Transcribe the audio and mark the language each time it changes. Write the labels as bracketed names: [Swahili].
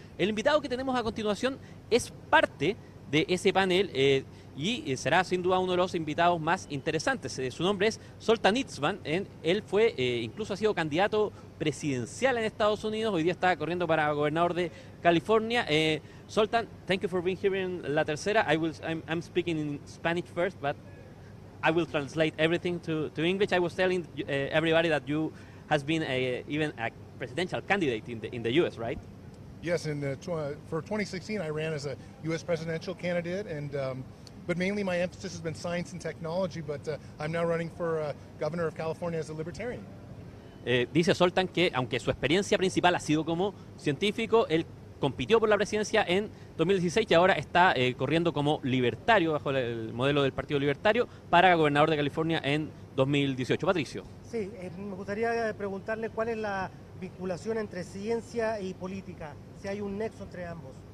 [Spanish] El invitado que tenemos a continuación es parte de ese panel y será sin duda uno de los invitados más interesantes. Su nombre es Zoltán Itzvan. Él fue, incluso ha sido candidato presidencial en Estados Unidos. Hoy día está corriendo para gobernador de California. [English] Zoltán, thank you for being here in La Tercera. I'm speaking in Spanish first, but I will translate everything to English. I was telling everybody that you has been even a presidential candidate in the U.S., right? Yes, for 2016, I ran as a U.S. presidential candidate, but mainly my emphasis has been science and technology, but I'm now running for governor of California as a libertarian. [Spanish] Dice Zoltán que, aunque su experiencia principal ha sido como científico, él compitió por la presidencia en 2016 y ahora está corriendo como libertario, bajo el modelo del Partido Libertario, para gobernador de California en 2018. Patricio. Sí, me gustaría preguntarle cuál es la vinculación entre ciencia y política, si hay un nexo entre ambos.